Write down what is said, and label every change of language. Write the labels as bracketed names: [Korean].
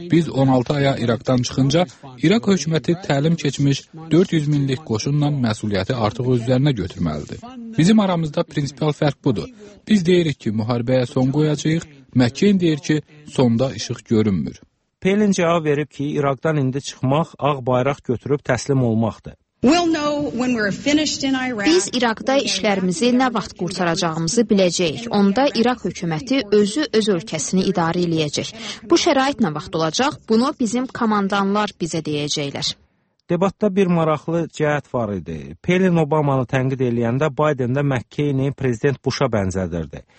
[Azerbaijani] Biz 16 aya İraqdan çıxınca, İraq hökuməti təlim keçmiş 400 minlik qoşunla məsuliyyəti artıq özlərinə götürməlidir. Bizim aramızda prinsipial fərq budur. Biz deyirik ki, müharibəyə son qoyacaq, McCain deyir ki, sonda işıq görünmür. Palin cavab verib ki, İraqdan indi çıxmaq, ağ bayraq götürüb təslim olmaqdır. [English] We'll know when we're finished in Iraq. [Azerbaijani] Biz İraqda işlərimizi nə vaxt qurtaracağımızı biləcəyik. Onda İraq hökuməti özü öz ölkəsini idarə eləyəcək. Bu şərait nə vaxt olacaq, bunu bizim komandanlar bizə deyəcəklər. Debatda bir maraqlı cəhət var idi. Palin Obamanı tənqid eləyəndə Biden də McCain-i prezident Bush-a bənzədirdi.